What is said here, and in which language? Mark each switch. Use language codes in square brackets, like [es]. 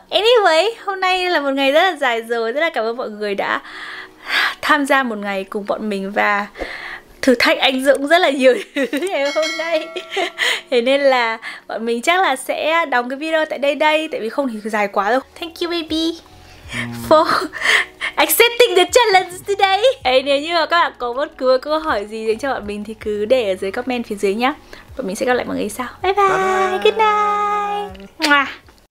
[vi] Anyway, hôm nay là một ngày rất là dài rồi, rất là cảm ơn mọi người đã tham gia một ngày cùng bọn mình và thử thách anh Dũng rất là nhiều thứ ngày hôm nay. Thế nên là bọn mình chắc là sẽ đóng cái video tại đây, tại vì không thì dài quá đâu. [en] Thank you baby for accepting the challenge today. [vi] Ê, nếu như mà các bạn có bất cứ câu hỏi gì dành cho bọn mình thì cứ để ở dưới comment phía dưới nhá. Bọn mình sẽ gặp lại mọi người sau. [en] Bye bye, good night.